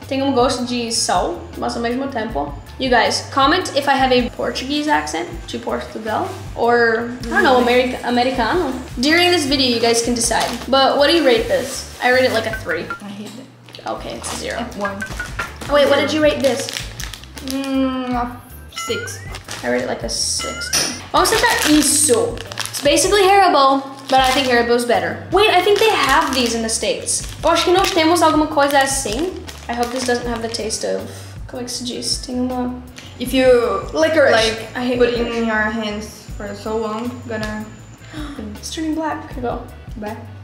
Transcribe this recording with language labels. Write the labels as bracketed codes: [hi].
[pt] Tem gosto de sal, mas ao mesmo tempo. [en] You guys, comment if I have a Portuguese accent, [pt] de Portugal, [en] or I don't know, Americano. During this video, you guys can decide. But what do you rate this? I rate it like a 3. I hate it. Okay, it's a 0. 1. Oh, wait, what did you rate this? A 6. I rate it like a 6. [pt] Vamos tentar isso. [en] It's basically Haribo. But I think Haribo's better. Wait, I think they have these in the States. [pt] Eu acho que nós temos alguma coisa assim. [en] I hope this doesn't have the taste of... [pt] Como é que se diz? Tem uma... [en] If you... Licorice. Like, I hate putting licorice. Your hands for so long, gonna... It's turning black. Okay, go. Bye.